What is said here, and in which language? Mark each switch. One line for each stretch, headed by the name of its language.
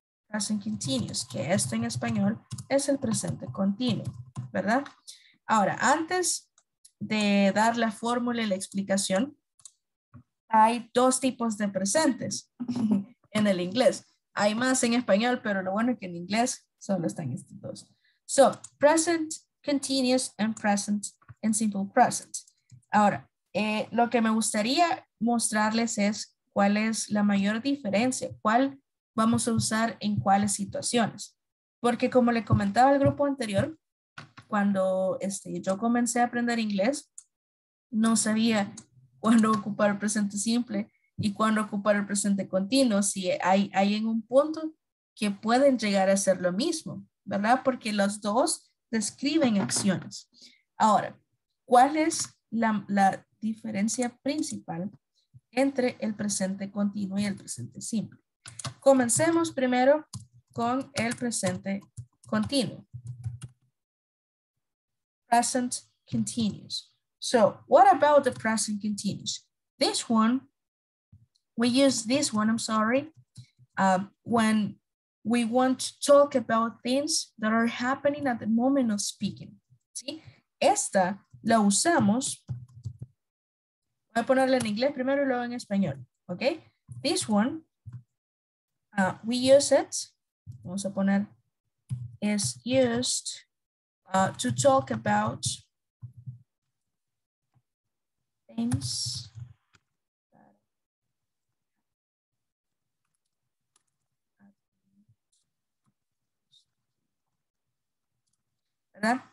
English: Present continuous,
Spanish: que esto en español es el presente continuo, ¿verdad? Ahora, antes de dar la fórmula y la explicación, hay dos tipos de presentes en el inglés. Hay más en español, pero lo bueno es que en inglés solo están estos dos.
English: So, present continuous and present and simple present.
Spanish: Ahora, lo que me gustaría mostrarles es cuál es la mayor diferencia, cuál vamos a usar en cuáles situaciones. Porque como le comentaba al grupo anterior, cuando yo comencé a aprender inglés, no sabía cuándo ocupar el presente simple y cuándo ocupar el presente continuo. Si hay en un punto que pueden llegar a ser lo mismo, ¿verdad? Porque los dos describen acciones. Ahora, ¿cuál es la diferencia principal entre el presente continuo y el presente simple? Comencemos primero con el presente continuo.
English: Present continuous. So, what about the present continuous? This one, we use this one, I'm sorry, when we want to talk about things that are happening at the moment of speaking.
Spanish: ¿Sí? Esta la usamos. Voy a ponerla en inglés primero y luego en español.
English: Okay? This one, we use it.
Spanish: Vamos a poner,
English: is used to talk about things
Spanish: ¿verdad?